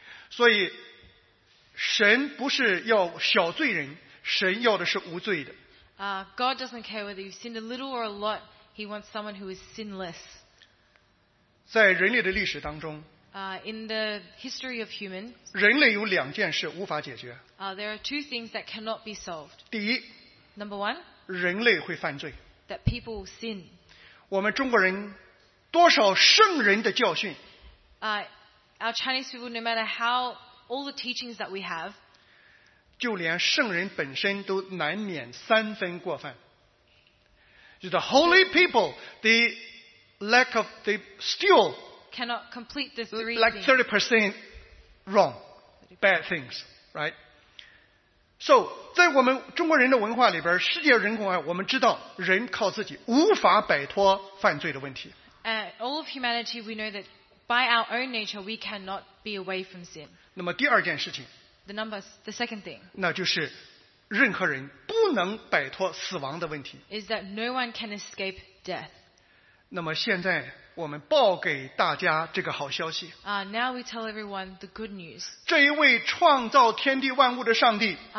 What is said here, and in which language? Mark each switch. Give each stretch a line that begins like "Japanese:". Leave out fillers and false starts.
Chinese: 所以神不是要小罪人，神要的是无罪的。
English: God doesn't care whether you've sinned a little or a lot. He wants someone who is sinless.
Chinese: 在人类的历史当中，
English: in the history of human,
Chinese: 人类有两件事无法解决。
English: There are two things that cannot be solved.
Chinese: 第一，
English: number one,
Chinese: 人类会犯罪。
English: That people sin.
Chinese: 我们中国人多少圣人的教训。
English: Our Chinese people, no matter how all the teachings that we have,
Chinese: 就连圣人本身都难免三分过犯。
English: The holy people, the lack of, they still cannot complete the three things. Like 30% wrong, bad things, right?
Chinese: So, 在我们中国人的文化里边，世界人口我们知道人靠自己无法摆脱犯罪的问题。
English: All of humanity, we know that by our own nature, we cannot be away from sin.
Chinese: 那么第二件事情，
English: the second thing,
Chinese: 那就是任何人不能摆脱死亡的问题。
English: Is that no one can escape death?
Chinese: 那么现在我们报给大家这个好消息。
English: Now we tell everyone the good news.
Chinese: 这一位创造天地万物的上帝。